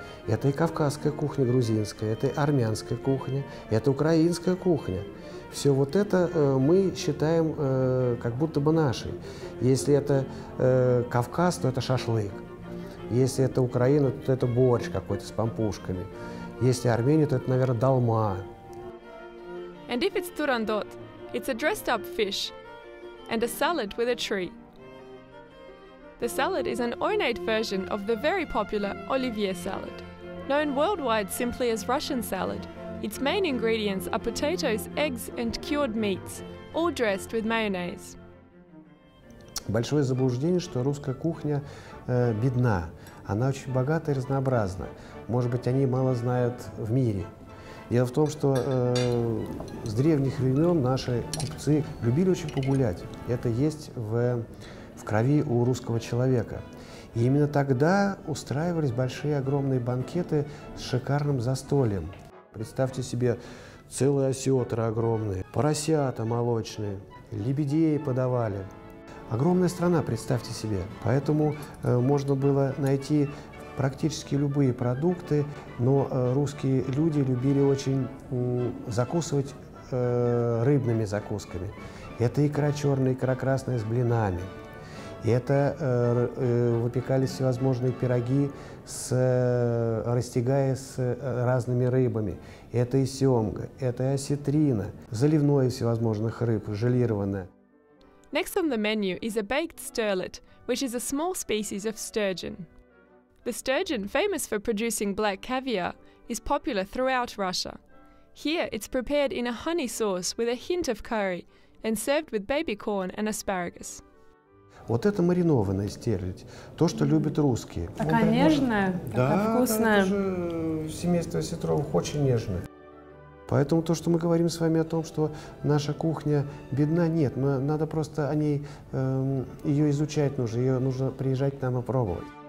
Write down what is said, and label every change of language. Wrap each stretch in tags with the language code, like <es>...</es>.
<ru>Это и кавказская кухня грузинская, это и армянская кухня, это украинская кухня. Все вот это мы считаем как будто бы нашей. Если это Кавказ, то это шашлык. Если это Украина, то это борщ какой-то с помпушками. Если Армения, то это, наверное, долма.</ru> <en>And if it's Turandot, it's a dressed up fish and a salad with a tree. The salad is an ornate version of the very popular Olivier salad. Known worldwide simply as Russian salad, its main ingredients are potatoes, eggs, and cured meats, all dressed with mayonnaise.</en> <ru>Большое заблуждение, что русская кухня бедна. Она очень богата и разнообразна. Может быть, они мало знают в мире. Дело в том, что с древних времен наши купцы любили очень погулять. Это есть в крови у русского человека. И именно тогда устраивались большие огромные банкеты с шикарным застольем. Представьте себе, целые осетры огромные, поросята молочные, лебедей подавали. Огромная страна, представьте себе. Поэтому можно было найти практически любые продукты, но русские люди любили очень закусывать рыбными закусками. Это икра черная, икра красная с блинами. Это выпекались всевозможные пироги, растягая с разными рыбами. Это и семга, это и осетрина, заливное всевозможных рыб, желированное.</ru> <en>Next on the menu is a baked sterlet, which is a small species of sturgeon. The sturgeon, famous for producing black caviar, is popular throughout Russia. Here, it's prepared in a honey sauce with a hint of curry and served with baby corn and asparagus.</en> <ru>Вот это маринованная стерлядь, то, что любят русские. Такая нежная, да, такая вкусная. Да, это же семейство осетровых очень нежное. Поэтому то, что мы говорим с вами о том, что наша кухня бедна, нет. Но надо просто о ней, ее изучать нужно, ее нужно приезжать к нам и пробовать.</ru>